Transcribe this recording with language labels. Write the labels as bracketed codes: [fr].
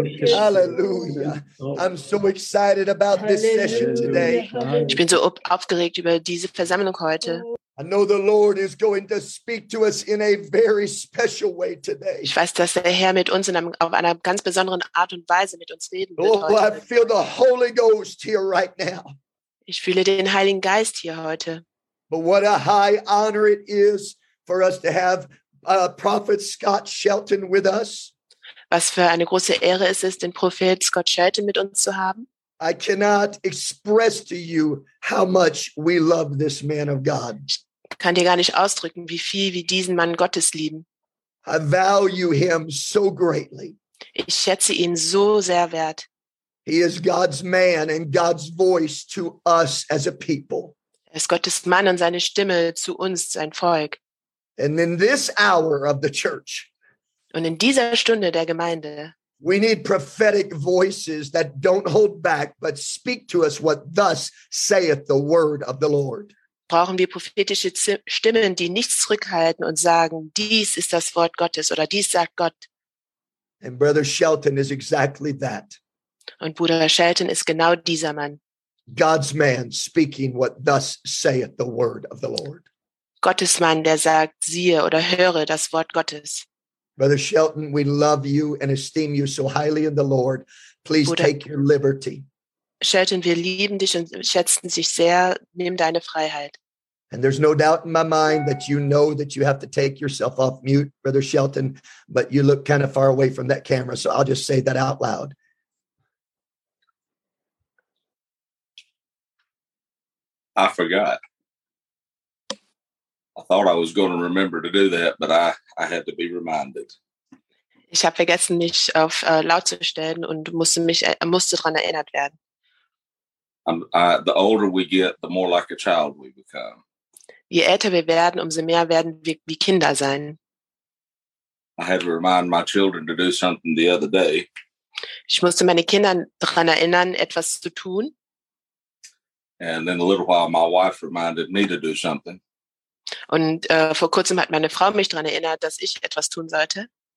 [en] Hallelujah. I'm so excited about this session today. [de] Ich bin so aufgeregt über diese Versammlung heute. [en] I know the Lord is going to speak to us in a very special way today. [de] Ich weiß, dass der Herr mit uns auf einer ganz besonderen Art und Weise mit uns reden wird. [en] Oh, I feel the Holy Ghost here right now. [de] Ich fühle den Heiligen Geist hier heute. [en] But what a high honor it is for us to have Prophet Scott Shelton with us. [de] Was für eine große Ehre es ist, den Prophet Scott Shelton mit uns zu haben. [en] I cannot express to you how much we love this man of God. [de] kann dir gar nicht ausdrücken, wie viel wir diesen Mann Gottes lieben. [en] I value him so greatly. [de] Ich schätze ihn so sehr wert. [en] He is God's man and God's voice to us as a people. [de] Er ist Gottes Mann und seine Stimme zu uns, sein Volk. [en] And in this hour of the church, [de] und in dieser Stunde der Gemeinde, [en] we need prophetic voices that don't hold back, but speak to us what thus saith the word of the Lord. [de] Brauchen wir prophetische Stimmen, die nichts zurückhalten und sagen, dies ist das Wort Gottes oder dies sagt Gott. [en] And Brother Shelton is exactly that. [de] Und Bruder Shelton ist genau dieser Mann. [en] God's man speaking what thus saith the word of the Lord. [de] Gottes Mann, der sagt, siehe oder höre das Wort Gottes. [en] Brother Shelton, we love you and esteem you so highly in the Lord. Please Bruder, take your liberty. [de] Shelton, wir lieben dich und schätzen dich sehr. Nimm deine Freiheit. [en] And there's no doubt in my mind that you know that you have to take yourself off mute, Brother Shelton, but you look kind of far away from that camera, so I'll just say that out loud. I forgot. I thought I was going to remember to do that, but I had to be reminded. [de] Ich habe vergessen, mich auf laut zu stellen und musste daran erinnert werden. [en] The older we get, the more like a child we become. [de] Je älter wir werden, umso mehr werden wir wie Kinder sein. [en] I had to remind my children to do something the other day. [de] Ich musste meine Kinder daran erinnern, etwas zu tun. [en] And in a little while, my wife reminded me to do something. [de] Und vor kurzem hat meine Frau mich daran erinnert, dass ich etwas tun sollte.